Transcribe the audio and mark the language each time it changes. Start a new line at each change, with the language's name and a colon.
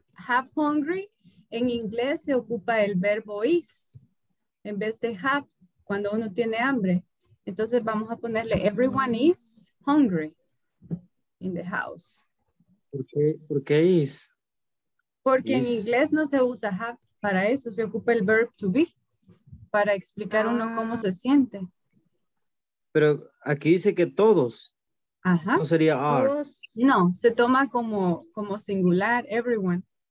Spanish: Have hungry, en inglés se ocupa el verbo is, en vez de have, cuando uno tiene hambre. Entonces vamos a ponerle
English: everyone is hungry in the house.
Spanish: ¿Por qué is? Porque is. En inglés no se usa have para eso, se ocupa el verb to be, para explicar uno cómo se siente. Pero aquí dice que todos. Ajá. ¿No sería are? Todos. No, se toma como singular, everyone.